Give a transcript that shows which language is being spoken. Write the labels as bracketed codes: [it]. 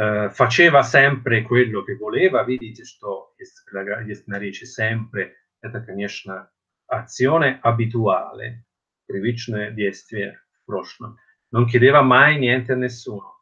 [it] Faceva sempre quello che voleva. Vedete, sto la речи sempre. [ru] Это, конечно, azione abituale. Привычное действие в прошлом. [it] Non chiedeva mai niente a nessuno.